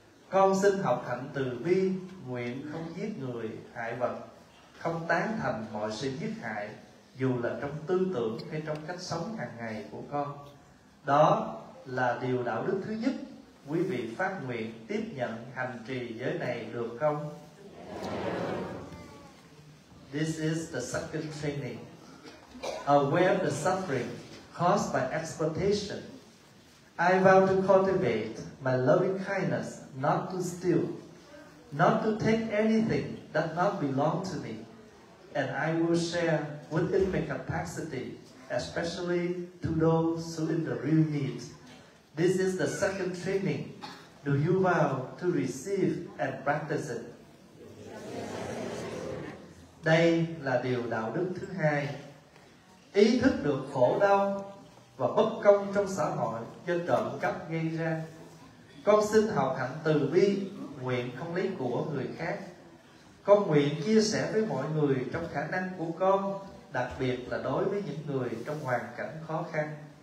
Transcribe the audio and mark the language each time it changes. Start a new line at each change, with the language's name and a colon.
Vietnamese: Con xin học hạnh từ bi, nguyện không giết người, hại vật, không tán thành mọi sự giết hại, dù là trong tư tưởng hay trong cách sống hàng ngày của con. Đó là điều đạo đức thứ nhất. Quý vị phát nguyện tiếp nhận hành trì giới này được không?
English: This is the second training. Aware of the suffering caused by exploitation, I vow to cultivate my loving kindness, not to steal, not to take anything that not belong to me, and I will share within my capacity, especially to those who in the real need. This is the second training. Do you vow to receive and practice it?
Vietnamese: Đây là điều đạo đức thứ hai. Ý thức được khổ đau và bất công trong xã hội do trộm cắp gây ra. Con xin học hạnh từ bi, nguyện không lấy của người khác. Con nguyện chia sẻ với mọi người trong khả năng của con, đặc biệt là đối với những người trong hoàn cảnh khó khăn.